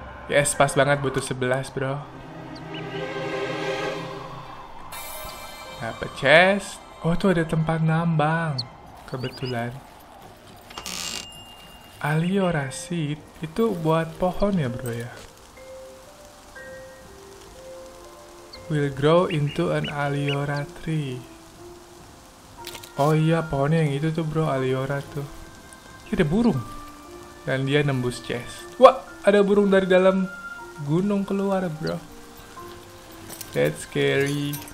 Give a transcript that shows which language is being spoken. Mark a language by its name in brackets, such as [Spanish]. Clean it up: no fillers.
[Indonesian] Yes, pas banget butuh 11, bro. Apa chest? Oh, tuh ada tempat nambang. Kebetulan. Aliorasi itu buat pohon ya, bro ya. [English] Will grow into an aliora tree. [Indonesian] Oh iya, pohonnya yang itu tuh, bro, aliora tuh. Ada burung. Dan dia nembus chest. Wah, ada burung dari dalam gunung keluar, bro. [English] That's scary.